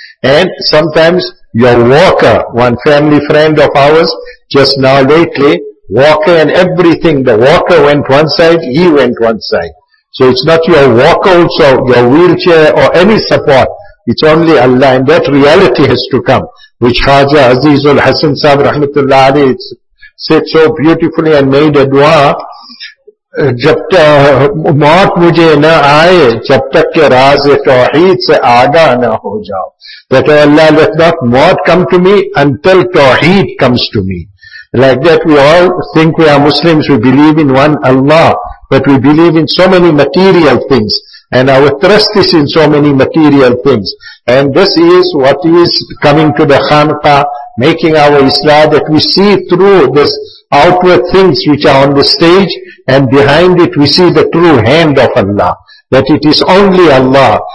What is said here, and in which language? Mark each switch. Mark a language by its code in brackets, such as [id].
[en] And sometimes your walker, one family friend of ours, just now lately, walker and everything, the walker went one side, he went one side. So it's not your walker also, your wheelchair or any support. It's only Allah, and that reality has to come, which Khaja Azizul Hasan Sahib Rahmatullah Alayhi said so beautifully and made a dua. [ur] جب موت مجھے نہ آئے جب تک کہ راز توحید سے آگاہ نہ ہو جاؤ. [en] That Allah, let not موت come to me until توحید comes to me. Like that, we all think we are Muslims, we believe in one Allah, but we believe in so many material things, and our trust is in so many material things. And this is what is coming to the Khanqa, making our Islah, that we see through this outward things which are on the stage, and behind it we see the true hand of Allah, that it is only Allah.